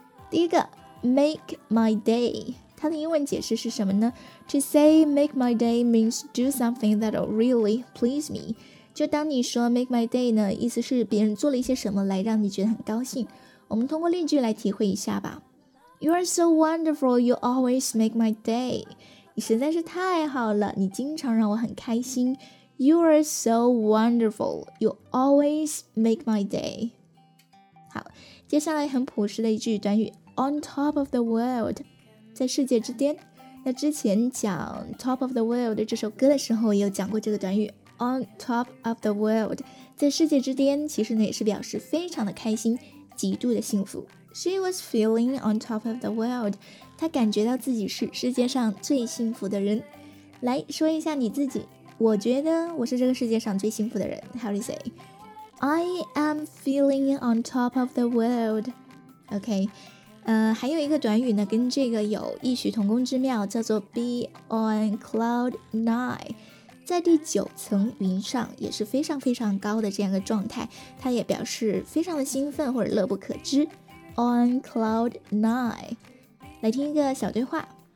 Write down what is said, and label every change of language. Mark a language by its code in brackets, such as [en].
[zh] 第一个 make my day, 它的英文解释是什么呢？ [en] To say make my day means do something that'll really please me, [zh] 就当你说 make my day 呢，意思是别人做了一些什么来让你觉得很高兴。我们通过例句来体会一下吧。 [en] You are so wonderful, you always make my day. [zh] 你实在是太好了，你经常让我很开心。 [en] You are so wonderful, you always make my day. [zh] 好，接下来很朴实的一句短语 on top of the world, 在世界之巅。那之前讲 top of the world 这首歌的时候也有讲过这个短语On top of the world, 在世界之巅，其实呢也是表示非常的开心，极度的幸福。 [en] She was feeling on top of the world, [zh] 她感觉到自己是世界上最幸福的人。来说一下你自己，我觉得我是这个世界上最幸福的人。 [en] How do you say? I am feeling on top of the world. OK, [zh] 还有一个短语呢跟这个有异曲同工之妙，叫做 be on cloud nine，在第九层云上，也是非常非常高的这样一个状态，它也表示非常的兴奋或者乐不可支。 On cloud nine， 来听一个小对话。